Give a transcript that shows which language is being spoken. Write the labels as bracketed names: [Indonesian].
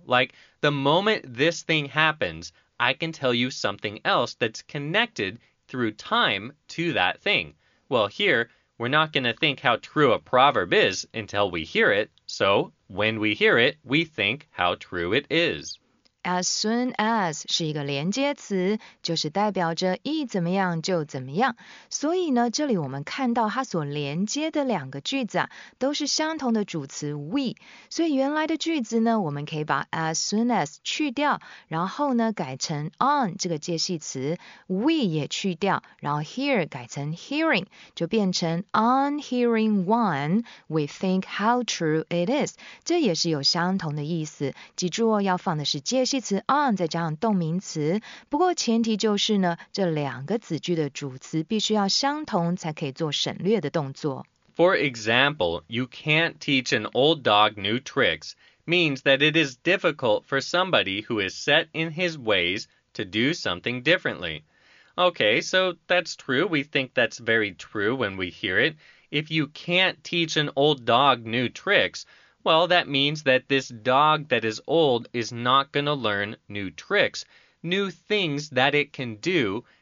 [English] Like, the moment this thing happens, I can tell you something else that's connected through time to that thing. Well, here, we're not going to think how true a proverb is until we hear it. So, when we hear it, we think how true it is. [Chinese] As soon as 是一个连接词，就是代表着一怎么样就怎么样。所以呢，这里我们看到它所连接的两个句子啊，都是相同的主词 we。所以原来的句子呢，我们可以把 as soon as 去掉，然后呢改成 on 这个介系词 ，we 也去掉，然后 hear 改成 hearing， 就变成 on hearing one we think how true it is。这也是有相同的意思。记住哦，要放的是介。介系词 on 再加上动名词，不过前提就是呢，这两个子句的主词必须要相同，才可以做省略的动作。 [English] For example, you can't teach an old dog new tricks means that it is difficult for somebody who is set in his ways to do something differently. Okay, so that's true. We think that's very true when we hear it. If you can't teach an old dog new tricks,Well, that means that this dog that is old is not going to learn new tricks, new things that it can do.